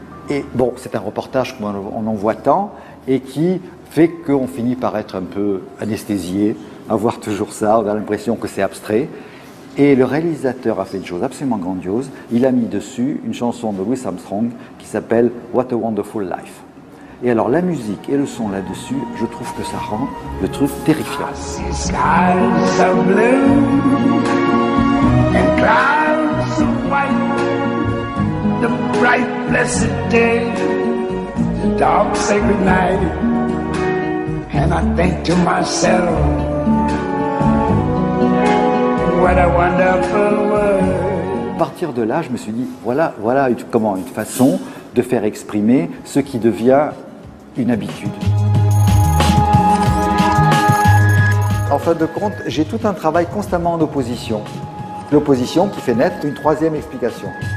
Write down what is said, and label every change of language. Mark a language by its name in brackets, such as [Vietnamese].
[French] Et bon, c'est un reportage qu'on en voit tant et qui fait qu'on finit par être un peu anesthésié, avoir toujours ça, on a l'impression que c'est abstrait. Et le réalisateur a fait une chose absolument grandiose, il a mis dessus une chanson de Louis Armstrong qui s'appelle « What a Wonderful Life ». Et alors la musique et le son là-dessus, je trouve que ça rend le truc terrifiant. [English] « Skies are blue and clouds are white. » The bright, blessed day, the dark, sacred night, and I think to myself, what a wonderful world. [French] À partir de là, je me suis dit, voilà comment une façon de faire exprimer ce qui devient une habitude. En fin de compte, j'ai tout un travail constamment en opposition. L'opposition qui fait naître une troisième explication.